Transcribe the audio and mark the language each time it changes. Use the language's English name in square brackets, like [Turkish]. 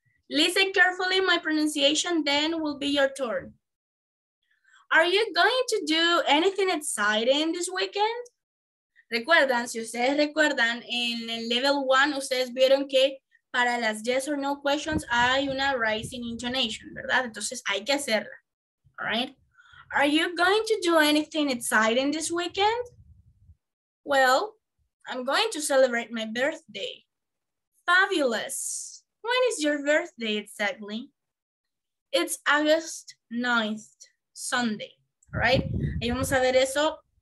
[English] Listen carefully my pronunciation, then will be your turn. Are you going to do anything exciting this weekend? [Spanish] Recuerdan, si ustedes recuerdan, en el level one, ustedes vieron que para las [English] yes or no questions [Spanish] hay una [English] rising intonation, [Spanish] ¿verdad? Entonces hay que hacerla, [English] all right? Are you going to do anything exciting this weekend? Well, I'm going to celebrate my birthday. Fabulous. When is your birthday exactly? It's August 9th, Sunday, all right? [Spanish] Ahí vamos a ver eso.